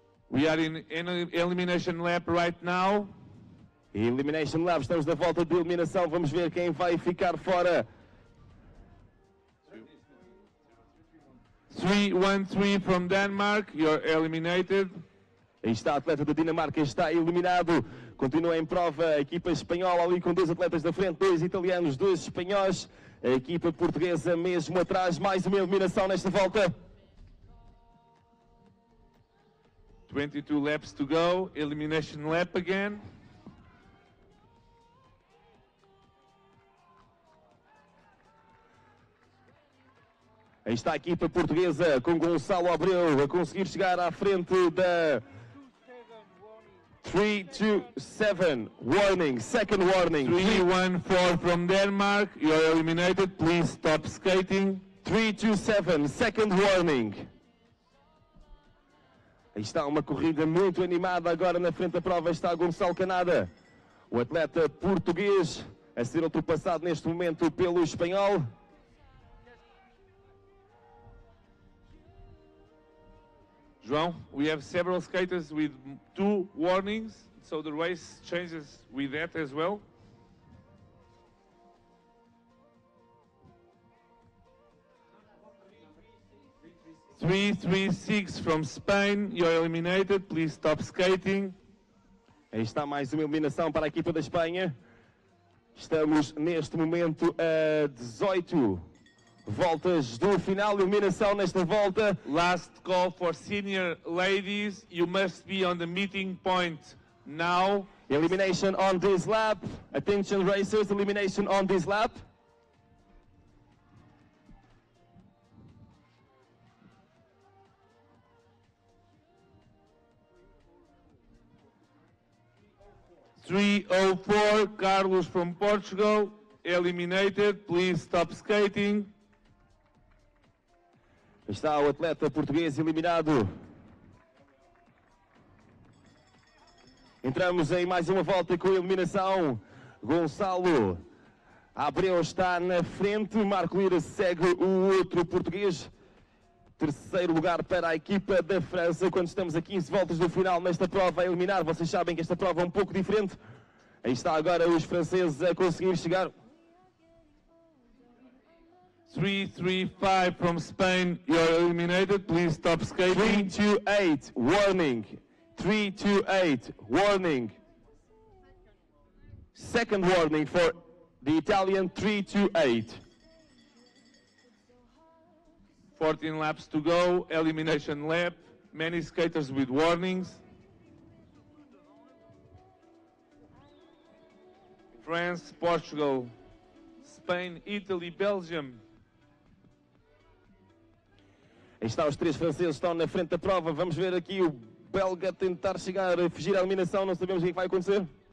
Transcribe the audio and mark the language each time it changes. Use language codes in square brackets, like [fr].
[en] We are in elimination lap right now. Elimination lap, [pt] estamos na volta de eliminação, vamos ver quem vai ficar fora. [en] 3-1-3 from Denmark, you're eliminated. [pt] Aí está, atleta da Dinamarca está eliminado. Continua em prova a equipa espanhola ali com dois atletas na frente, dois italianos, dois espanhóis. A equipa portuguesa mesmo atrás, mais uma eliminação nesta volta. [en] 22 laps to go, elimination lap again. [pt] Aí está a equipa portuguesa com Gonçalo Abreu a conseguir chegar à frente da... [en] 3-2-7, warning, second warning. 3-1-4 from Denmark, you are eliminated, please stop skating. 3-2-7, second warning. [pt] Aí está uma corrida muito animada agora na frente da prova, está Gonçalo Canada. O atleta português a ser ultrapassado neste momento pelo espanhol. [en] João, we have several skaters with two warnings, so the race changes with that as well. Three, three, six from Spain, you're eliminated, please stop skating. [pt] Aí está mais uma eliminação para a equipa da Espanha. Estamos neste momento a 18. Voltas do final, eliminação nesta volta. [en] Last call for senior ladies. You must be on the meeting point now. Elimination on this lap. Attention racers, elimination on this lap. .304, Carlos from Portugal. Eliminated, please stop skating. [pt] Está o atleta português eliminado. Entramos em mais uma volta com a eliminação. Gonçalo Abreu está na frente. Marco Lira segue o outro português. Terceiro lugar para a equipa da França. Quando estamos a 15 voltas do final nesta prova a eliminar, vocês sabem que esta prova é um pouco diferente. Aí está agora os franceses a conseguir chegar. [en] 3-3-5 from Spain, you're eliminated, please stop skating. 3-2-8, warning. 3-2-8, warning. Second warning for the Italian, 3-2-8. 14 laps to go, elimination lap. Many skaters with warnings. France, Portugal, Spain, Italy, Belgium. [pt] Aí está, os três franceses estão na frente da prova. Vamos ver aqui o belga tentar chegar a fugir à eliminação. Não sabemos o que vai acontecer.